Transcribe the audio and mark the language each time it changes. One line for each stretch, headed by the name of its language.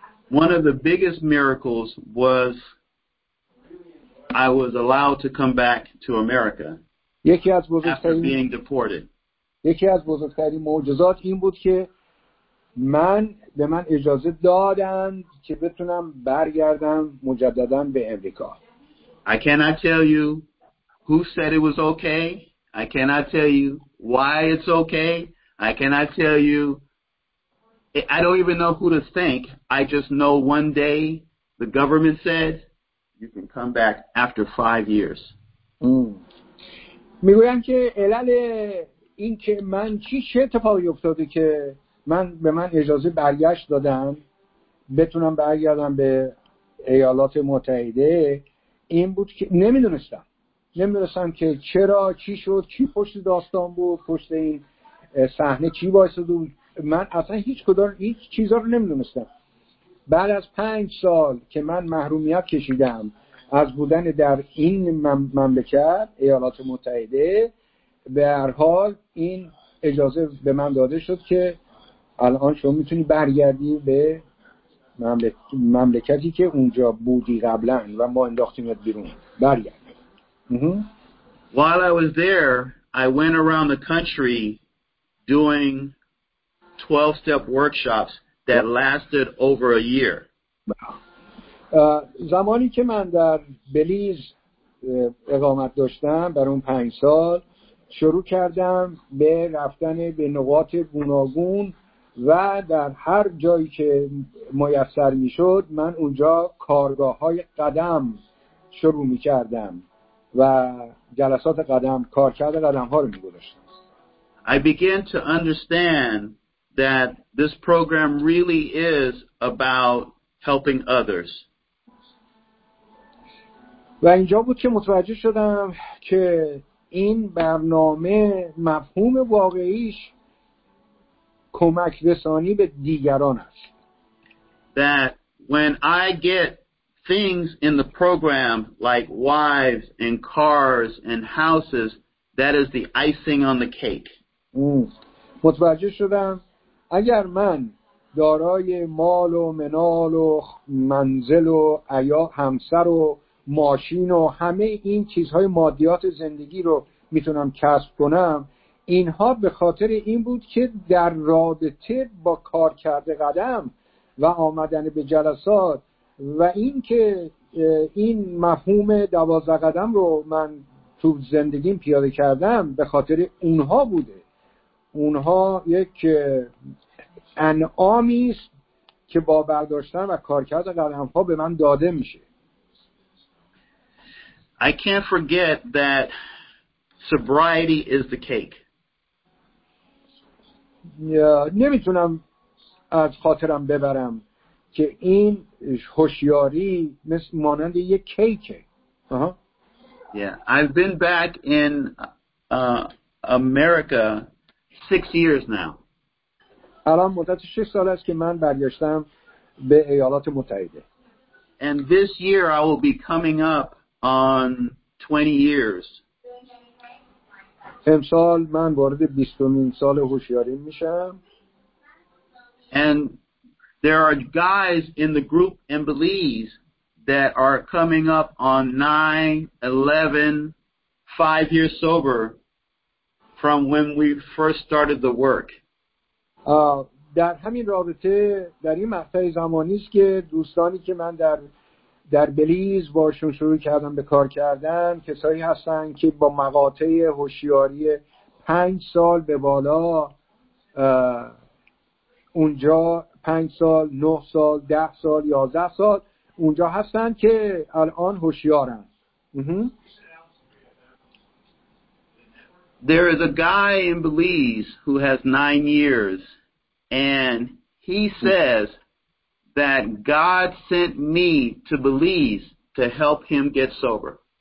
English: One of the biggest miracles was I was allowed to come back to America after being deported.
Persian: یکی از بزرگترین معجزات این بود که من به من اجازه دادند که بتونم برگردم مجددا به امریکا.
English: I cannot tell you who said it was okay. I cannot tell you why it's okay. I cannot tell you. I don't even know who to thank. I just know one day the government said you can come back after 5 years.
Persian: میگویم که علل این که من چه اتفاقی افتاده که من به من اجازه برگشت دادن بتونم برگردم به ایالات متحده این بود که نمیدونستم که چرا چی شد، چی پشت داستان بود، پشت این صحنه چی وایساد بود. من اصلا هیچ چیزا رو نمیدونستم. بعد از 5 سال که من محرومیت کشیدم از بودن در این مملکت ایالات متحده، به هر حال این اجازه به من داده شد که الان شما میتونی برگردی به مملکتی که اونجا بودی قبلا و ما انداختیمت بیرون، برگرد.
English: While I was there, I went around the country doing 12-step workshops that lasted over a year.
Persian: زمانی که من در بلیز اقامت داشتم بر اون 5 سال، شروع کردم به رفتن به نقاط گوناگون و در هر جایی که میسر می شد من اونجا کارگاه های قدم شروع می کردم و جلسات قدم، کار کرده قدم ها رو می گذاشتم.
English: I began to understand that this program really is about helping others.
Persian: و اینجا بود که متوجه شدم که این برنامه مفهوم واقعیش کمک رسانی به دیگران است.
English: That when I get things in the program like wives and cars and houses, that is the icing on the cake.
Persian: متوجه شدم اگر من دارای مال و منال و منزل و همسر و ماشین و همه این چیزهای مادیات زندگی رو میتونم کسب کنم، اینها به خاطر این بود که در رابطه با کار کرده قدم و آمدن به جلسات و این که این مفهوم 12 قدم رو من تو زندگیم پیاده کردم به خاطر اونها بوده. اونها یک انعامی است که با برداشتن و کار کرده قدم ها به من داده میشه.
English: I can't forget that sobriety is the cake.
Persian: نمیتونم از خاطرم ببرم که این هوشیاری مثل مانند یک کیکه.
English: I've been back in America 6 years now.
Persian: الان مدت 6 سال است که من برگشتم به ایالات متحده.
English: And this year I will be coming up on 20 years.
Persian: امسال من وارد 20مین سال هوشیاری میشم.
English: And there are guys in the group in Belize that are coming up on 9, 11, 5 years sober from when we first started the work.
Persian: در همین رابطه در این مقطع زمانی است که دوستانی که من در بلیز باشون شروع کردم به کار کردن، کسایی هستن که با مقاطع هوشیاری 5 سال به بالا اونجا 5 سال، 9 سال، 10 سال، 11 سال اونجا هستن که الان هوشیارن.
English: There is a guy in Belize who has 9 years and he says that God sent me to Belize to help him get sober.